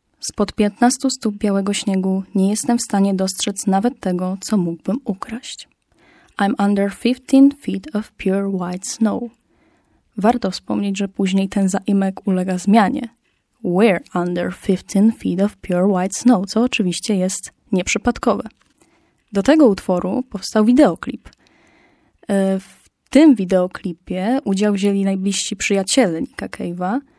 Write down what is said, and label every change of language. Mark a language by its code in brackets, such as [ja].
[pl] Spod 15 stóp białego śniegu nie jestem w stanie dostrzec nawet tego, co mógłbym ukraść. [en] I'm under 15 feet of pure white snow. [pl] Warto wspomnieć, że później ten zaimek ulega zmianie. [en] We're under 15 feet of pure white snow, [pl] co oczywiście jest nieprzypadkowe. Do tego utworu powstał wideoklip. W tym wideoklipie udział wzięli najbliżsi przyjaciele Nicka Cave'a.